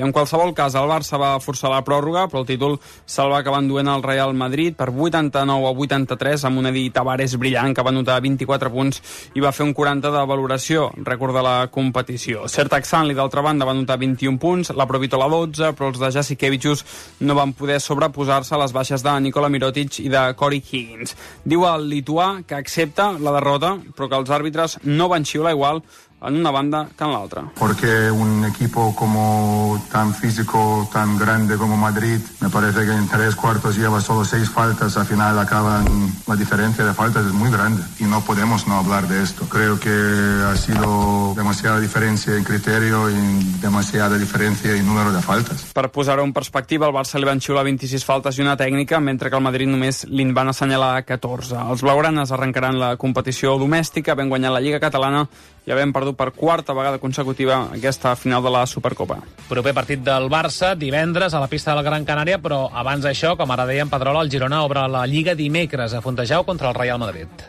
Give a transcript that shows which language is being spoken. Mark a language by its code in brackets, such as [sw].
[ca] En qualsevol cas, el Barça va forçar la pròrroga, però el títol se'l va acabar enduent al Real Madrid per 89-83 amb un Edi Tavares brillant que va anotar 24 punts i va fer un 40 de valoració, rècord de la competició. Sertac Sanli, d'altra banda, va anotar 21 punts, la Provitola 12, però els de Jassi Kevichus no van poder sobreposar-se a les baixes de Nikola Mirotic i de Corey Higgins. Diu el lituà que accepta la derrota, però que els àrbitres no van xiular igual en una banda que en l'altra. [es] Porque un equipo como tan físico, tan grande como Madrid, me parece que en tres cuartos lleva solo seis faltas, al final acaban, la diferencia de faltas es muy grande y no podemos no hablar de esto. Creo que ha sido demasiada diferencia en criterio y demasiada diferencia en número de faltas. [ca] Per posar-ho en perspectiva, el Barça li van xiular 26 faltes i una tècnica, mentre que el Madrid només li van assenyalar 14. Els blaugranes arrencaran la competició domèstica, ben guanyant la Lliga Catalana i havent perdut per quarta vegada consecutiva aquesta final de la Supercopa. Proper partit del Barça, divendres, a la pista del Gran Canària, però abans d'això, com ara deia en Pedrola, el Girona obre la Lliga dimecres a Fontejau contra el Real Madrid.